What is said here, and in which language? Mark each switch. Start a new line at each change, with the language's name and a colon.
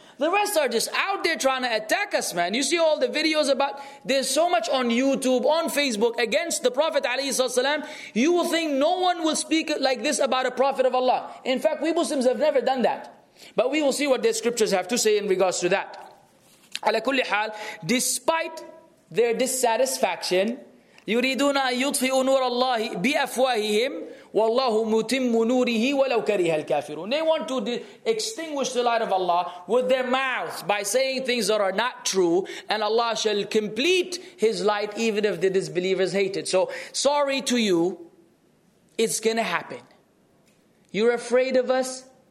English: The rest are just out there trying to attack us, man. You see all the videos about, there's so much on YouTube, on Facebook, against the Prophet ﷺ. You will think no one will speak like this about a Prophet of Allah. In fact, we Muslims have never done that. But we will see what the scriptures have to say in regards to that.
Arabic: Ala kulli hal,
English: despite their dissatisfaction,
Arabic: يُرِيدُونَ أَن يُطْفِئُوا نُورَ اللَّهِ بِأَفْوَاهِهِمْ وَاللَّهُ مُتِمُّ نُورِهِ وَلَوْ كَرِهَ الْكَافِرُونَ.
English: They want to extinguish the light of Allah with their mouths by saying things that are not true, and Allah shall complete His light even if the disbelievers hate it. So, sorry to you, it's going to happen. You're afraid of us?